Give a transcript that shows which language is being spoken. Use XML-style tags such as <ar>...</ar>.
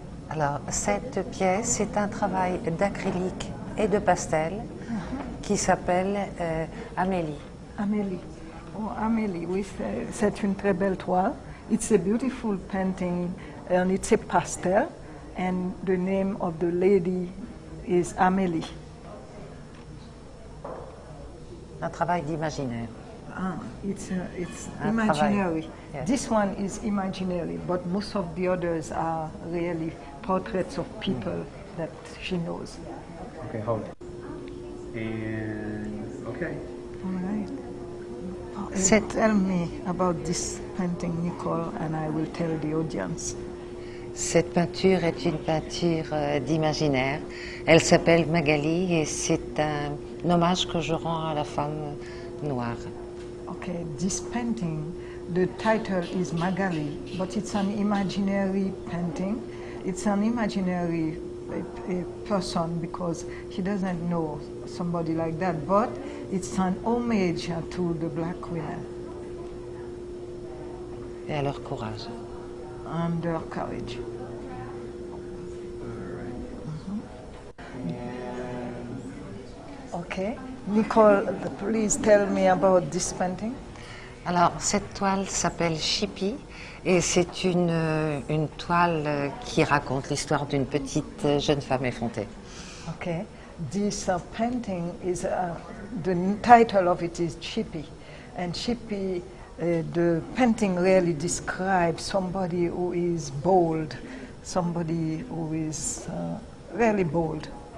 <fr>Alors, cette pièce est un travail d'acrylique et de pastel qui s'appelle Amélie. Amélie. Oh, Amélie, oui, c'est une très belle toile.</fr> <en>It's a beautiful painting, and it's a pastel, and the name of the lady is Amélie.</en> <fr>Un travail d'imaginaire.</fr> <en>It's imaginary. Yes. This one is imaginary, but most of the others are really portraits of people that she knows. Okay, hold it. And, okay. All right. Tell me about this painting, Nicole, and I will tell the audience.</en> <fr>Cette peinture est une peinture d'imaginaire. Elle s'appelle Magali et c'est un hommage que je rends à la femme noire.</fr> <en>Okay, this painting, the title is Magali, but it's an imaginary painting. It's an imaginary a person because he doesn't know somebody like that, but it's an homage to the black women.</en> <fr>Et à leur courage.</fr> <en>And their courage. Okay. Nicole, please tell me about this painting.</en> <fr>Alors, cette toile s'appelle Chippie et c'est une toile qui raconte l'histoire d'une petite jeune femme effrontée.</fr> <en>Okay. This painting is the title of it is Chippie, and Chippie, the painting really describes somebody who is bold, somebody who is really bold.</en>